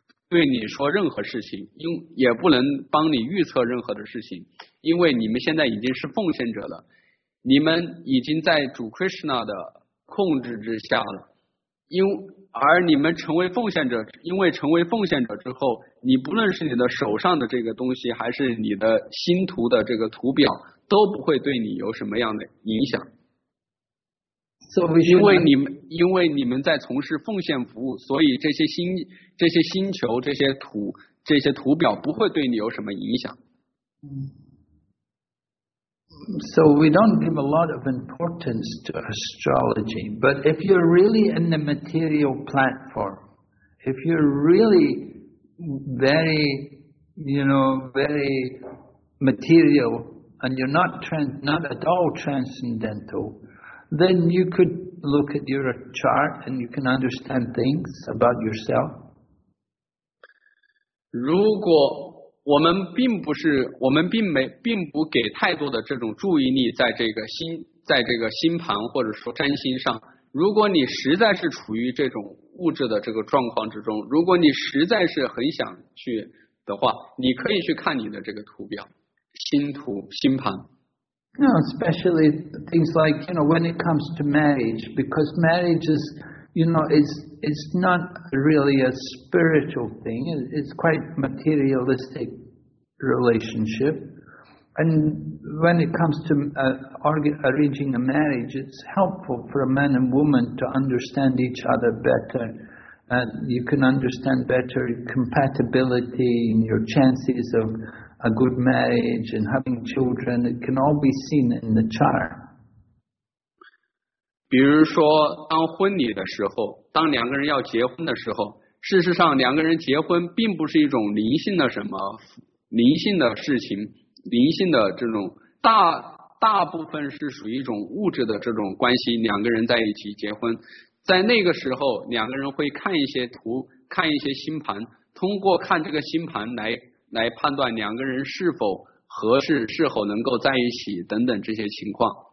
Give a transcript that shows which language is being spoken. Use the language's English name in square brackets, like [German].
[Chinese] 对你说任何事情，也不能帮你预测任何的事情，因为你们现在已经是奉献者了，你们已经在主 Krishna 的控制之下了，而你们成为奉献者，因为成为奉献者之后，你不论是你的手上的这个东西，还是你的星图的这个图表，都不会对你有什么样的影响。因为你们在从事奉献服务，所以这些星球、这些图表不会对你有什么影响。 [English] So we don't give a lot of importance to astrology, but if you're really in the material platform, if you're really very, you know, very material, and you're not at all transcendental, then you could look at your chart and you can understand things about yourself. [Chinese] 如果我们并不是，我们并没，并不给太多的这种注意力在这个星，在这个星盘或者说占星上。如果你实在是处于这种物质的这个状况之中，如果你实在是很想去的话，你可以去看你的这个图表、星图、星盘。 [English] No, especially things like, you know, when it comes to marriage, because marriage is, you know, it's not really a spiritual thing. It's quite materialistic relationship. And when it comes to arranging a marriage, it's helpful for a man and woman to understand each other better. And you can understand better compatibility and your chances of a good marriage and having children. It can all be seen in the chart. [Chinese] 比如说当婚礼的时候，当两个人要结婚的时候，事实上两个人结婚并不是一种灵性的什么灵性的事情，灵性的这种大部分是属于一种物质的这种关系，两个人在一起结婚，在那个时候两个人会看一些图，看一些星盘，通过看这个星盘来判断两个人是否合适，是否能够在一起等等这些情况。